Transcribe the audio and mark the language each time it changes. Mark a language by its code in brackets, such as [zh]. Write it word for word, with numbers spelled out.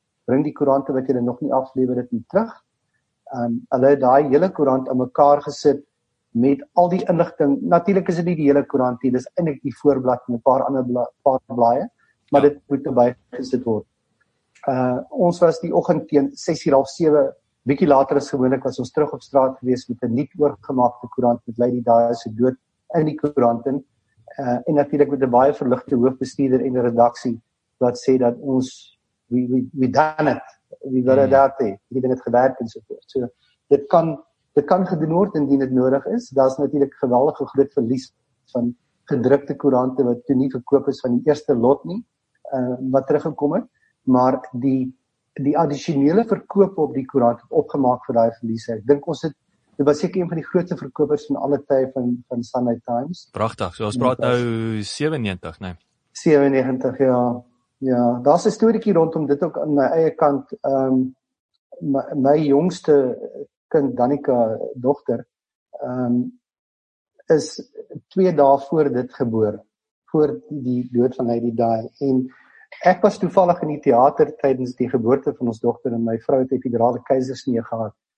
[af] Bring die koerante wat julle nog nie aflewer het nie terug. Ehm um, hulle het daai hele koerant aan mekaar gesit met al die inligting. Natuurlik is dit nie die hele koerant nie, dis eintlik die voorblad en 'n paar ander bla, paar blaaie, maar dit moet erbij gesit word. Uh ons was die oggend teen ses uur half sewe bietjie later as gewoonlik was ons terug op straat gewees met 'n nuut oorgemaakte koerant met Lady Daya se dood in die koerant in. Uh en natuurlik met 'n baie verligte hoofbestuurder en 'n redaksie wat sê dat ons [en] we we we done it. We got it out there. [af] Dit het gewerk en so voort. So dit kan dit kan gedoen word indien dit nodig is. Daar's natuurlik geweldige groot verlies van gedrukte koerante wat toe nie verkoop is van die eerste lot nie, uh wat teruggekom het. Maar die die addisionele verkoop op die koerant het opgemaak vir daai verliese. Ek dink ons het dit was seker een van die grootste verkopers van alle tye van van Sunday Times. Pragtig. So ons praat nou sewe en negentig, né? sewe en negentig, ja. Ja, daar's 'n storieetjie rondom dit ook aan my eie kant. Ehm um, my, my jongste kind Danica, dogter, ehm um, is twee dae voor dit gebore, voor die dood van Lady Di en ek was toevallig in die teater tydens die geboorte van ons dogter en my vrou het epidurale keisersnee gehad.